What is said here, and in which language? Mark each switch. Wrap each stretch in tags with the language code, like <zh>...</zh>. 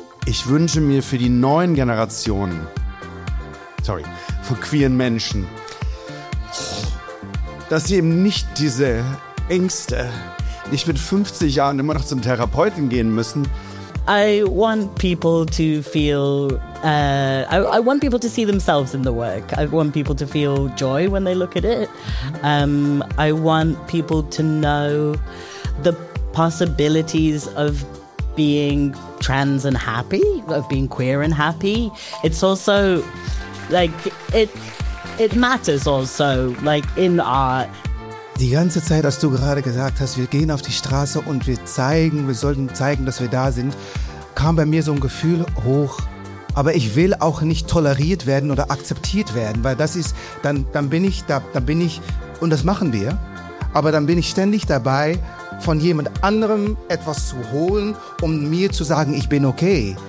<de>Ich wünsche mir für die neuen Generationen, von queeren Menschen, dass sie eben nicht diese Ängste, nicht mit 50 Jahren immer noch zum Therapeuten gehen müssen.</de> <en>I want people to feel, I want people to see themselves in the work. I want people to feel joy when they look at it. I want people to know the possibilities of being trans and happy, of being queer and happy. It's also, like, it matters also, like, in art.</en> <de>Die ganze Zeit, als du gerade gesagt hast, wir gehen auf die Straße und wir sollten zeigen, dass wir da sind, kam bei mir so ein Gefühl hoch. Aber ich will auch nicht toleriert werden oder akzeptiert werden, weil das ist, dann bin ich, und das machen wir, aber dann bin ich ständig dabei, von jemand anderem etwas zu holen, um mir zu sagen, ich bin okay.</de>